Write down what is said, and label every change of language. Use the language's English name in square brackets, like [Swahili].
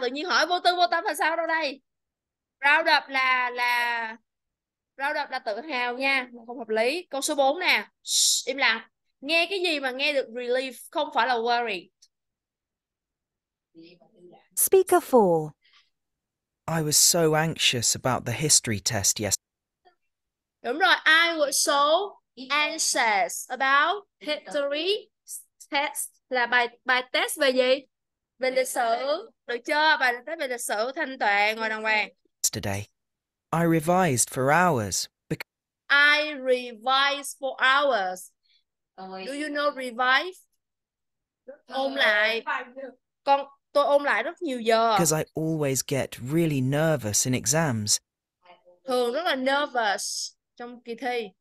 [Vietnamese] Tự nhiên hỏi vô tư, vô tâm là sao đâu đây? Proud of là proud of là tự hào nha, không hợp lý. Câu số 4 nè. Shh, im lặng. Nghe cái gì mà nghe được relief, không phải là worry. [English] Speaker 4. I was so anxious about the history test yesterday. Đúng rồi, I was so anxious about history test là bài test về gì? [Vietnamese] Về lịch sử, được chưa? Bài test về lịch sử Thanh Tuệ ngồi đàng hoàng. [English] Today. I revised for hours. I revised for hours. Do you know revise? Ôm lại. [Vietnamese] Con tôi ôm lại rất nhiều giờ. [English] Because I always get really nervous in exams. [Vietnamese] Thường rất là nervous trong kỳ thi.